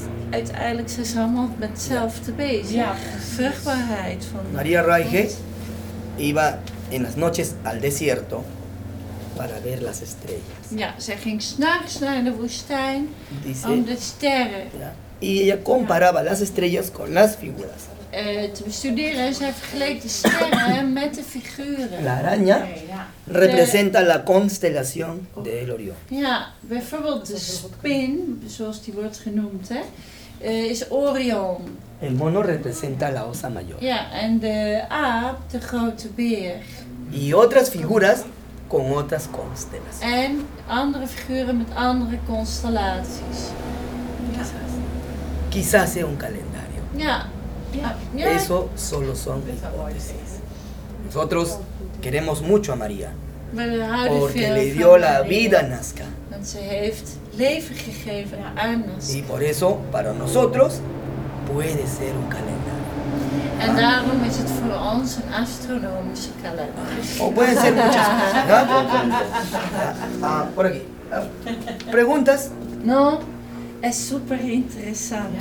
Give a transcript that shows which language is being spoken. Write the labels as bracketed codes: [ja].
[nl] Uiteindelijk zijn ze allemaal met hetzelfde bezig. Vruchtbaarheid van. [es] María Raige iba en las noches al desierto. Para ver las estrellas. [nl] Ja, zij ging s'nachts naar de woestijn om de sterren. [es] Y ella comparaba las estrellas con las figuras. [nl] Te bestuderen, zij vergeleek de sterren met de figuren. [es] La araña representa la constelación del Orión. [nl] Ja, bijvoorbeeld de spin, zoals die wordt genoemd, hè, is Orion. [es] El mono representa la osa mayor. [nl] Ja, en de aap, de grote beer. [es] Y otras figuras. Con otras constelaciones. [nl] En andere figuren met andere constellaties. [es] Quizás sea un calendario. [nl] Ja. [es] Eso solo son hipótesis. Nosotros queremos mucho a María. Porque le dio la vida a Nazca. [nl] Want ze heeft leven gegeven aan Nazca. [es] Y por eso, para nosotros, puede ser un calendario. [nl] En daarom is het voor ons een astronomische kalender. [es] Oh, pueden ser muchas cosas, ¿no? Por aquí. ¿Preguntas? No, es súper interesante.